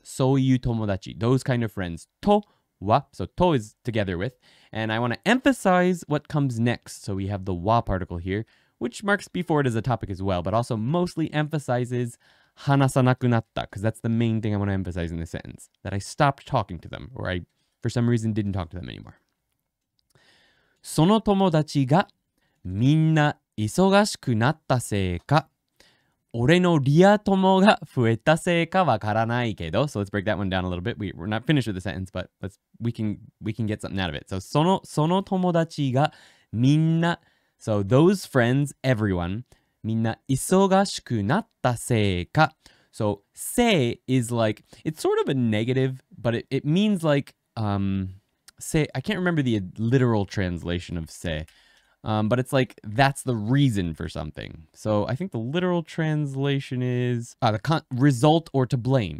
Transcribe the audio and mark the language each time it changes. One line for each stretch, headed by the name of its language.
Japanese: そういう友達,
English: those kind of friends, とは, so to is together with, and I want to emphasize what comes next. So we have the wa particle here, which marks before it as a topic as well, but also mostly emphasizes
Japanese: 話さなくなった,
English: because that's the main thing I want to emphasize in this sentence, that I stopped talking to them, or I, for some reason, didn't talk to them anymore.
Japanese: その友達がみんな忙しくなったせいか、俺のリア友が増えたせいかわからないけど。
English: So let's break that one down a little bit. We're not finished with the sentence, but let's, we can get something out of it. So
Japanese: その友達がみんな、
English: so those friends, everyone,
Japanese: みんな忙しくなったせいか。
English: So, せい is like, it's sort of a negative, but it means like, せい, I can't remember the literal translation of せい, but it's like, that's the reason for something. So, I think the literal translation is, result or to blame.